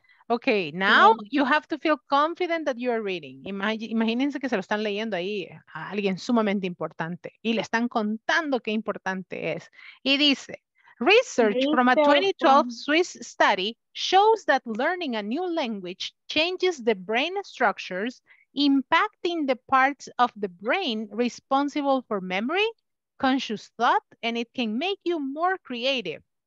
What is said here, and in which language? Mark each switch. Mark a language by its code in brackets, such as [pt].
[en] Okay, now you have to feel confident that you are reading. [es] Imagínense que se lo están leyendo ahí a alguien sumamente importante y le están contando qué importante es. Y dice, [en] research from a 2012 Swiss study shows that learning a new language changes the brain structures, impacting the parts of the brain responsible for memory, conscious thought, and it can make you more creative.